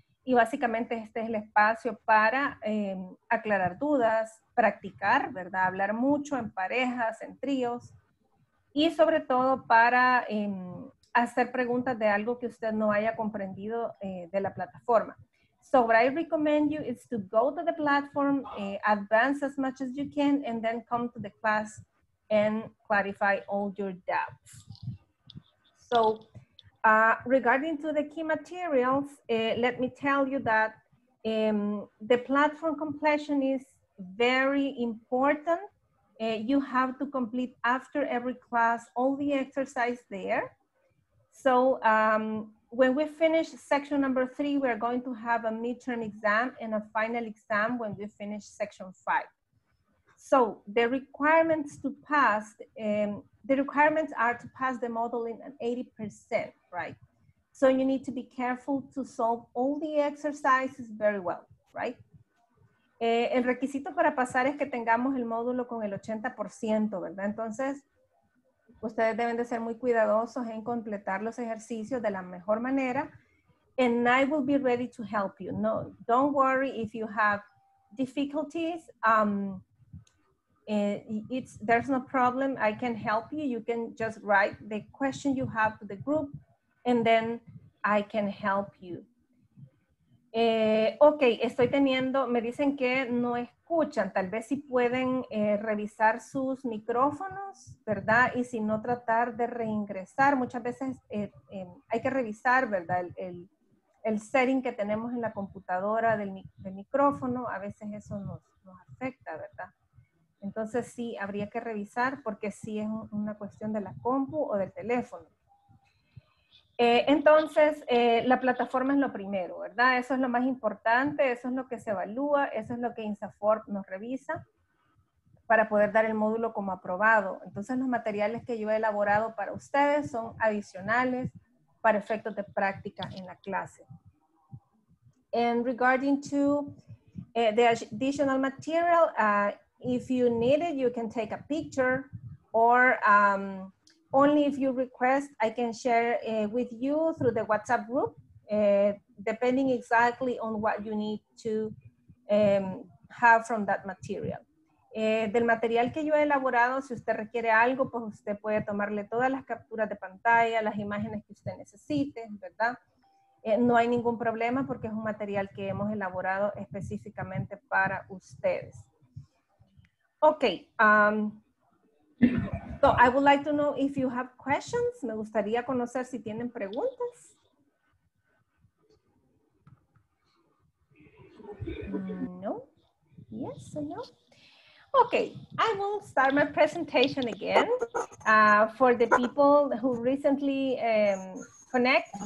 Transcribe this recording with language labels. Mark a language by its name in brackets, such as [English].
[Spanish] Y básicamente este es el espacio para aclarar dudas, practicar, ¿verdad? Hablar mucho en parejas, en tríos. Y sobre todo para hacer preguntas de algo que usted no haya comprendido de la plataforma. [English] So what I recommend you is to go to the platform, advance as much as you can, and then come to the class and clarify all your doubts. So regarding to the key materials, let me tell you that The platform completion is very important. You have to complete after every class all the exercise there. So when we finish section number 3, we're going to have a midterm exam and a final exam when we finish section 5. So the requirements to pass, the requirements are to pass the model in an 80%, right? So you need to be careful to solve all the exercises very well, right? [Spanish] El requisito para pasar es que tengamos el módulo con el 80%, ¿verdad? Entonces, ustedes deben de ser muy cuidadosos en completar los ejercicios de la mejor manera. [English] And I will be ready to help you. No, don't worry if you have difficulties. There's no problem. I can help you. You can just write the question you have to the group and then I can help you. [Spanish] Ok, estoy teniendo, me dicen que no escuchan, tal vez si pueden revisar sus micrófonos, ¿verdad? Y si no, tratar de reingresar, muchas veces hay que revisar, ¿verdad? El setting que tenemos en la computadora del micrófono, a veces eso nos afecta, ¿verdad? Entonces sí, habría que revisar porque sí es una cuestión de la compu o del teléfono. Entonces, la plataforma es lo primero, ¿verdad? Eso es lo más importante, eso es lo que se evalúa, eso es lo que INSAFORP nos revisa para poder dar el módulo como aprobado. Entonces, los materiales que yo he elaborado para ustedes son adicionales para efectos de práctica en la clase. [English] And regarding to the additional material, if you need it, you can take a picture or... only if you request, I can share with you through the WhatsApp group, depending exactly on what you need to have from that material. [Spanish] Del material que yo he elaborado, si usted requiere algo, pues usted puede tomarle todas las capturas de pantalla, las imágenes que usted necesite, ¿verdad? No hay ningún problema porque es un material que hemos elaborado específicamente para ustedes. Ok. [English] So I would like to know if you have questions. [Spanish] Me gustaría conocer si tienen preguntas. [English] No? Yes or no? Okay, I will start my presentation again for the people who recently connect.